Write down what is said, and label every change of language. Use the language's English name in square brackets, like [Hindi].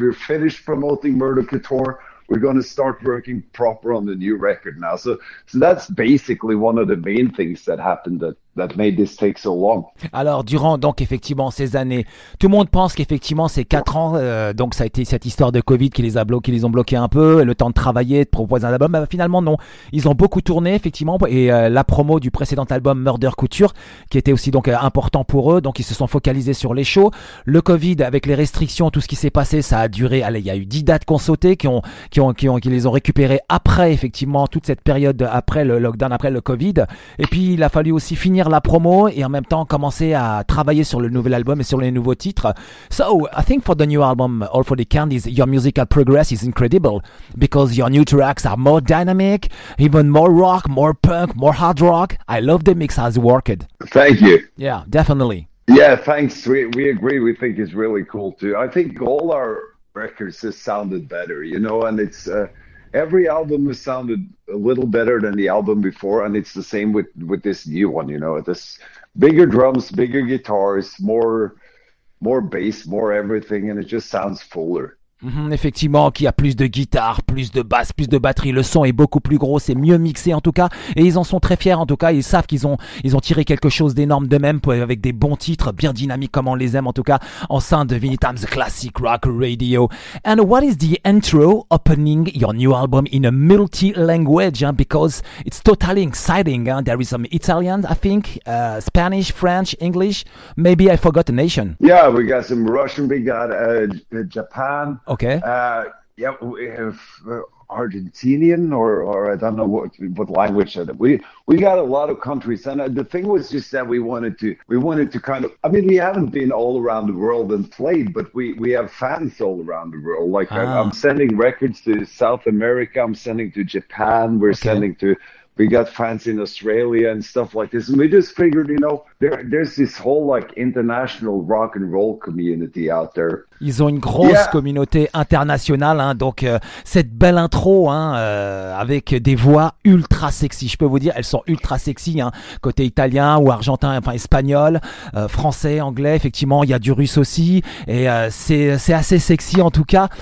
[English] We're finished promoting Murder Couture. We're going to start working proper on the new record now. So that's basically one of the main things that happened that made this take so long. [French] Alors, durant donc effectivement ces années, tout le monde pense qu'effectivement ces 4 ans, donc ça a été cette histoire de Covid qui les ont bloqués un peu, le temps de travailler, de proposer un album. Mais finalement, non. Ils ont beaucoup tourné, effectivement, et la promo du précédent album Murder Couture, qui était aussi donc important pour eux, donc ils se sont focalisés sur les shows. Le Covid, avec les restrictions, tout ce qui s'est passé, ça a duré. Allez, il y a eu 10 dates qu'on sautait, qui les ont récupérées après, effectivement, toute cette période après le lockdown, après le Covid. Et puis, il a fallu aussi finir la promo et en même temps commencer à travailler sur le nouvel album et sur les nouveaux titres. [English] So I think for the new album All for the Candy, your musical progress is incredible because your new tracks are more dynamic, even more rock, more punk, more hard rock. I love the mix as worked. Thank you. Yeah, definitely. Yeah, thanks. We agree. We think it's really cool too. I think all our records have sounded better, you know, and it's every album has sounded a little better than the album before, and it's the same with this new one, you know, this bigger drums, bigger guitars, more bass, more everything, and it just sounds fuller. [French] Effectivement, qu'il y a plus de guitare, plus de basse, plus de batterie, le son est beaucoup plus gros, c'est mieux mixé en tout cas, et ils en sont très fiers en tout cas, ils savent qu'ils ont tiré quelque chose d'énorme d'eux-mêmes avec des bons titres, bien dynamiques comme on les aime en tout cas, en sein de Vinyl Times Classic Rock Radio. [English] And what is the intro opening your new album in a multi-language, hein, because it's totally exciting, hein? There is some Italian, I think, Spanish, French, English, maybe I forgot a nation. Yeah, we got some Russian, we got Japan. Okay. We have Argentinian or I don't know what language that we got a lot of countries. And the thing was just that we wanted to kind of, I mean, we haven't been all around the world and played, but we have fans all around the world. Like I'm sending records to South America. I'm sending to Japan. We got fans in Australia and stuff like this. And we just figured, you know, there's this whole like international rock and roll community out there. [French] Ils ont une grosse communauté internationale, hein, donc cette belle intro hein, avec des voix ultra sexy. Je peux vous dire, elles sont ultra sexy, hein, côté italien ou argentin, enfin espagnol, français, anglais. Effectivement, il y a du russe aussi, et c'est assez sexy en tout cas.